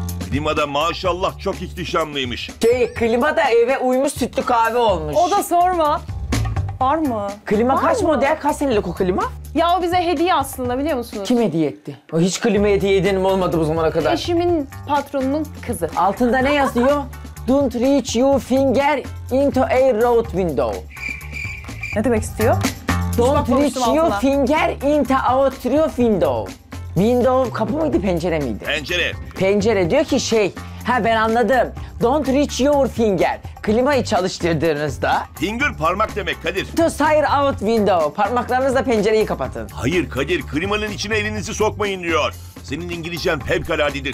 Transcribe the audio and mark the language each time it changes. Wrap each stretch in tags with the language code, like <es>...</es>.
<tr>Klima da maşallah çok ihtişamlıymış. Şey, klima da eve uymuş sütlü kahve olmuş. O da sorma. Var mı? Klima var kaç mı? Model? Kaç senelik o klima? Ya o bize hediye aslında, biliyor musunuz? Kim hediye etti? O hiç klima hediye edenim olmadı bu zamana kadar. Eşimin patronunun kızı. Altında ne yazıyor?</tr> <en>Don't reach your finger into a road window.</en> <tr>Ne demek istiyor?</tr> <en>Don't reach your finger into a road window.</en> <tr>Window kapı mıydı, pencere miydi? Pencere. Pencere diyor ki şey, ha ben anladım.</tr> <en>Don't reach your finger.</en> <tr>Klimayı çalıştırdığınızda. Finger parmak demek Kadir.</tr> <en>To sire out window.</en> <tr>Parmaklarınızla pencereyi kapatın. Hayır Kadir, klimanın içine elinizi sokmayın diyor. Senin İngilizcen pevkaladidir.</tr>